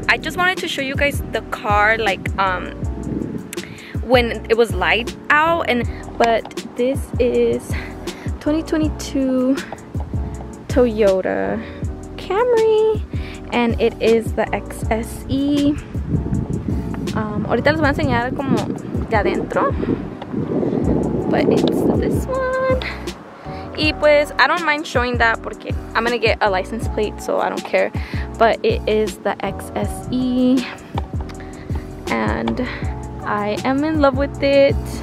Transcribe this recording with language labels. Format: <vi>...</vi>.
<en>I just wanted to show you guys the car, like when it was light out. And but this is 2022 Toyota Camry, and it is the XSE.</en> <es>Ahorita les voy a enseñar como de adentro.</es> <en>But it's this one.</en> <es>Y pues,</es> <en>I don't mind showing that</en> <es>porque</es> <en>I'm gonna get a license plate, so I don't care. But it is the XSE. And I am in love with it.</en>